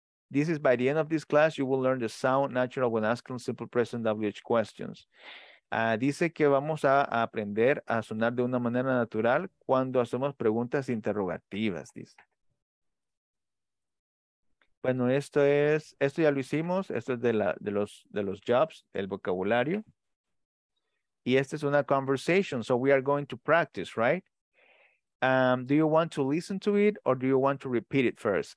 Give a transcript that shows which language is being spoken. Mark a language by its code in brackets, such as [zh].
[en] This is by the end of this class, you will learn the sound natural when asking simple present WH questions. [es] Dice que vamos a aprender a sonar de una manera natural cuando hacemos preguntas interrogativas, dice. Bueno, esto ya lo hicimos, esto es de los jobs, el vocabulario. Y esta es una [en] conversation, so we are going to practice, right? Do you want to listen to it or do you want to repeat it first?